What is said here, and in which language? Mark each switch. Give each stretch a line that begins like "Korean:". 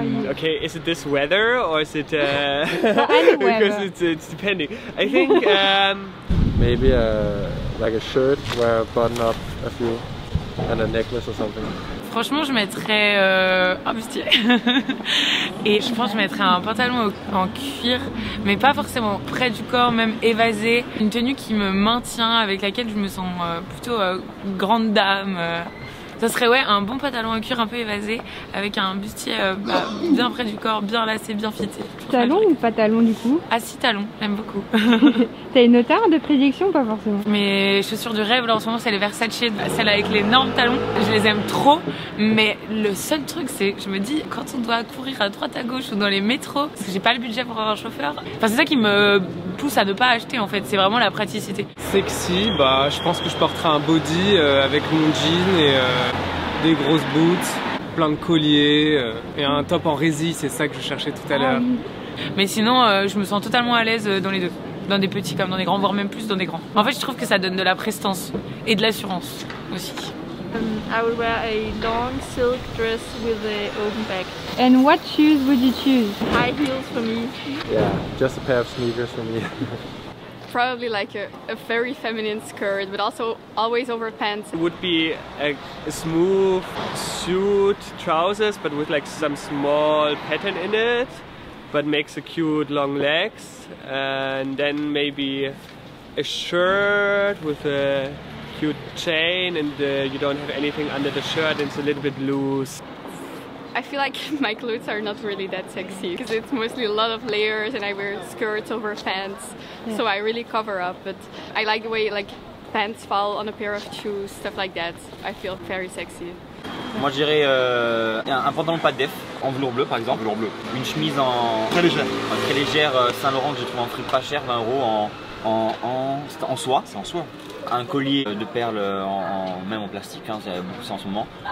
English: Ok, is it this weather or is it anywhere? Because it's depending. I think maybe like a shirt where I button up a few and a necklace or something.
French: Franchement, je mettrais un bustier et je pense que je mettrais un pantalon en cuir, mais pas forcément près du corps, même évasé. Une tenue qui me maintient, avec laquelle je me sens plutôt grande dame. Ça serait ouais un bon pantalon en cuir un peu évasé avec un bustier bien près du corps, bien lacé, bien fité. Talon ou pas talon du coup? Ah si, talon, j'aime beaucoup. T'as une auteur de prédiction ou pas forcément? Mes chaussures du rêve là en ce moment, c'est les Versace, celles avec l'énorme talon. Je les aime trop, mais le seul truc c'est que je me dis quand on doit courir à droite à gauche ou dans les métros, parce que j'ai pas le budget pour avoir un chauffeur. Enfin, c'est ça qui me pousse à ne pas acheter en fait, c'est vraiment la praticité. Sexy, bah je pense que je porterai un body avec mon jean et des grosses boots, plein de colliers et un top en rési, c'est ça que je cherchais tout à l'heure. Mais sinon je me sens totalement à l'aise dans les deux, dans des petits comme dans des grands, voire même plus dans des grands. En fait je trouve que ça donne de la prestance et de l'assurance aussi.
English: I would wear a long silk dress with an open back. And what shoes would you choose? High heels for me. Yeah, just a pair of sneakers for me. Probably like a very feminine skirt, but also always over pants. It would be a smooth suit, trousers, but with like some small pattern in it, but makes a cute long legs. And then maybe a shirt with a cute chain, and you don't have anything under the shirt, and it's a little bit loose. I feel like my clothes are not really that sexy because it's mostly a lot of layers and I wear skirts over pants, yeah. So I really cover up, but I like the way like pants fall on a pair of shoes, stuff like that. I feel very sexy.
French: Moi je dirais un pantalon pas de def, en velours bleu par exemple. Velours bleu. Une chemise en... Très légère. En très légère Saint Laurent que j'ai trouvé en fripe pas cher, 20 euros en soie. C'est en soie. Un collier de perles, même en plastique, hein, c'est beaucoup ça en ce moment.